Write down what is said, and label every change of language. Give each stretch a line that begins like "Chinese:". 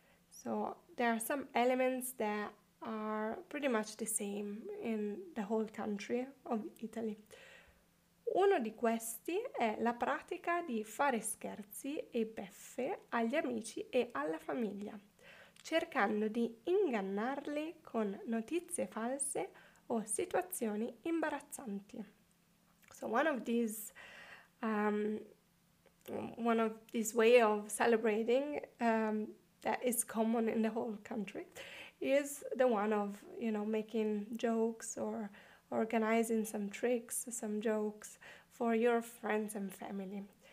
English: So there are some elements that are pretty much the same in the whole country of Italy.
Italian: Uno di questi è la pratica di fare scherzi e beffe agli amici e alla famiglia, cercando di ingannarli con notizie false o situazioni imbarazzanti.
English: So one of these way of celebrating that is common in the whole country is the one of, you know, making jokes or organizing some tricks, some jokes for your friends and family.